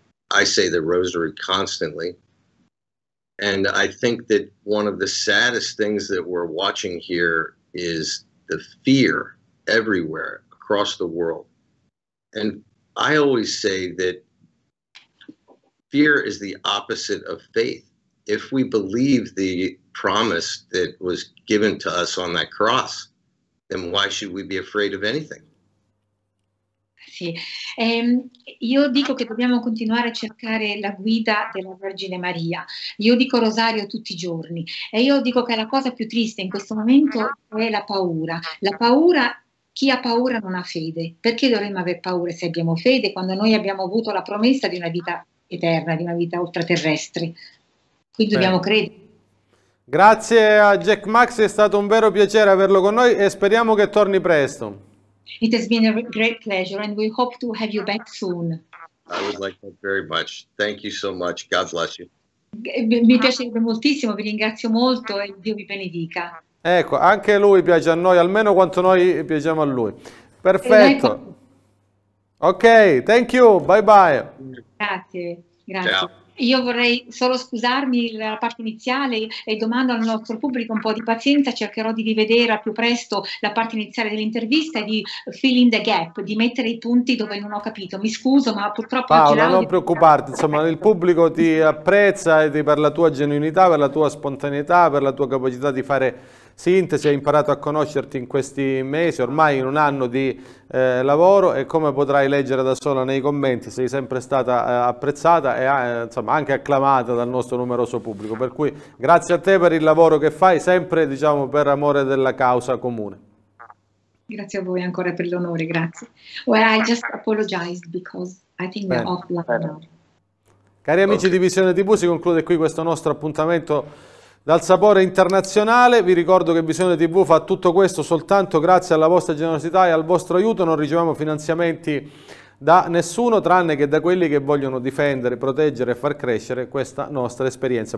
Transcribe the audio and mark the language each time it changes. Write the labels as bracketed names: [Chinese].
[English] I say the rosary constantly. And I think that one of the saddest things that we're watching here is the fear everywhere across the world. And I always say that fear is the opposite of faith. If we believe the promise that was given to us on that cross, then why should we be afraid of anything? [Italian] Sì, io dico che dobbiamo continuare a cercare la guida della Vergine Maria. Io dico rosario tutti i giorni e io dico che la cosa più triste in questo momento è la paura. La paura, chi ha paura non ha fede. Perché dovremmo aver paura se abbiamo fede, quando noi abbiamo avuto la promessa di una vita eterna, di una vita ultraterrestre? Qui dobbiamo credere. Grazie a Jack Max, è stato un vero piacere averlo con noi e speriamo che torni presto. [English] It has been a great pleasure and we hope to have you back soon. I would like that very much. Thank you so much. God bless you. [Italian] Mi piacerebbe moltissimo, vi ringrazio molto e Dio vi benedica. Ecco, anche lui piace a noi, almeno quanto noi piacciamo a lui. Perfetto. [English] Ok, thank you, bye bye. [Italian] Grazie, grazie. Ciao. Io vorrei solo scusarmi la parte iniziale e domando al nostro pubblico un po' di pazienza, cercherò di rivedere al più presto la parte iniziale dell'intervista e di [English] fill in the gap, [Italian] di mettere i punti dove non ho capito. Mi scuso, ma purtroppo... Paola, non preoccuparti, insomma il pubblico ti apprezza e per la tua genuinità, per la tua spontaneità, per la tua capacità di fare sintesi, ha imparato a conoscerti in questi mesi, ormai in un anno di lavoro, e come potrai leggere da sola nei commenti, sei sempre stata apprezzata e insomma anche acclamata dal nostro numeroso pubblico, per cui grazie a te per il lavoro che fai sempre, diciamo, per amore della causa comune. Grazie a voi ancora per l'onore, grazie. [English] Well, I just apologized because I think we're offline. [Italian] Cari amici, okay. Di Visione TV, si conclude qui questo nostro appuntamento dal sapore internazionale. Vi ricordo che Visione TV fa tutto questo soltanto grazie alla vostra generosità e al vostro aiuto. Non riceviamo finanziamenti da nessuno, tranne che da quelli che vogliono difendere, proteggere e far crescere questa nostra esperienza.